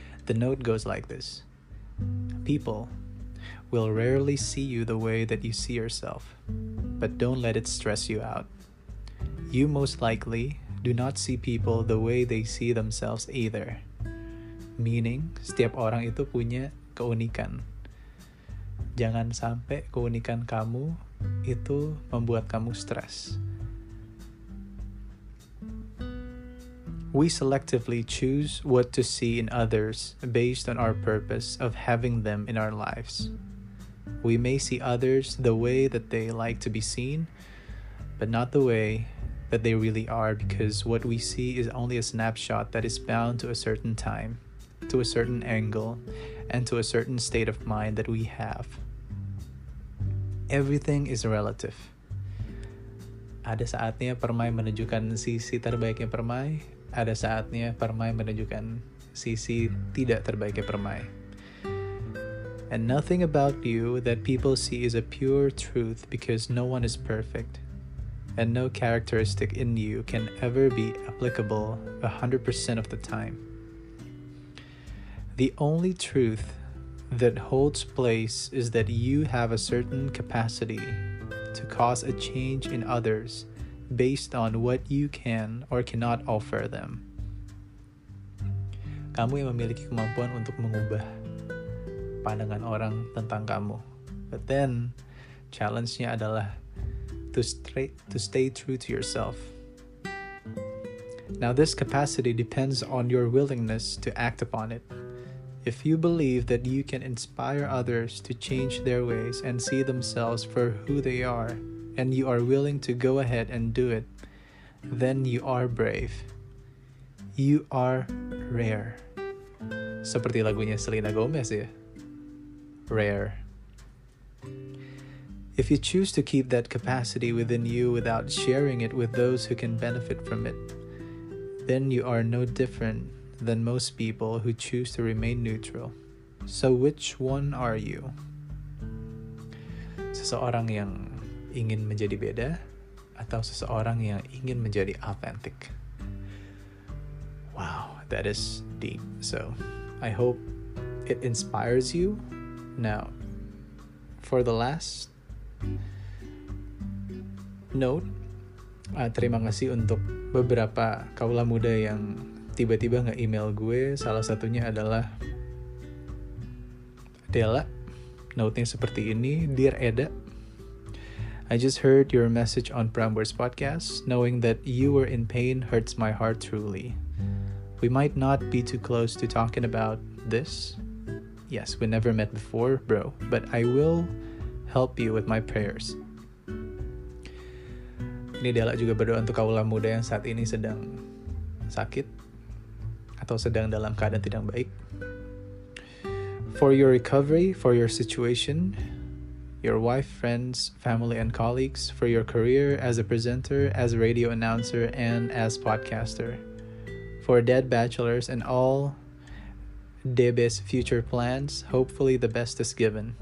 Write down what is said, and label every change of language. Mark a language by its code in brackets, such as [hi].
[en] The note goes like this. People will rarely see you the way that you see yourself, but don't let it stress you out. You most likely do not see people the way they see themselves either. [id] Meaning, setiap orang itu punya keunikan. Jangan sampai keunikan kamu itu membuat kamu stres. [en] We selectively choose what to see in others based on our purpose of having them in our lives. We may see others the way that they like to be seen, but not the way that they really are, because what we see is only a snapshot that is bound to a certain time, to a certain angle, and to a certain state of mind that we have. Everything is relative. [id] Ada saatnya Permai menunjukkan sisi terbaiknya Permai. Ada saatnya Permai menunjukkan sisi tidak terbaiknya Permai. [en] And nothing about you that people see is a pure truth, because no one is perfect. And no characteristic in you can ever be applicable 100% of the time. The only truth that holds place is that you have a certain capacity to cause a change in others based on what you can or cannot offer them. [id] Kamu yang memiliki kemampuan untuk mengubah pandangan orang tentang kamu. [en] But then, [id] challenge-nya adalah [en] to stay true to yourself. Now, this capacity depends on your willingness to act upon it. If you believe that you can inspire others to change their ways and see themselves for who they are, and you are willing to go ahead and do it, then you are brave. You are rare. [id] Seperti lagunya Selena Gomez ya. [en] Rare. If you choose to keep that capacity within you without sharing it with those who can benefit from it, then you are no different than most people who choose to remain neutral. So which one are you? [id] Seseorang yang ingin menjadi beda, atau seseorang yang ingin menjadi authentic? [en] Wow, that is deep. So, I hope it inspires you. Now, for the last note, [id] terima kasih untuk beberapa kaula muda yang tiba-tiba nge-email gue. Salah satunya adalah Della. Note-nya seperti ini. [en] Dear Eda, I just heard your message on Prambors podcast. Knowing that you were in pain hurts my heart truly. We might not be too close to talking about this. Yes, we never met before, bro. But I will help you with my prayers. [id] Ini Della juga berdoa untuk kaula muda yang saat ini sedang sakit atau sedang dalam keadaan tidak baik. [en] for your recovery, for your situation, your wife, friends, family, and colleagues, for your career as a presenter, as a radio announcer, and as podcaster, for dead bachelors and all DB's future plans, hopefully the best is given.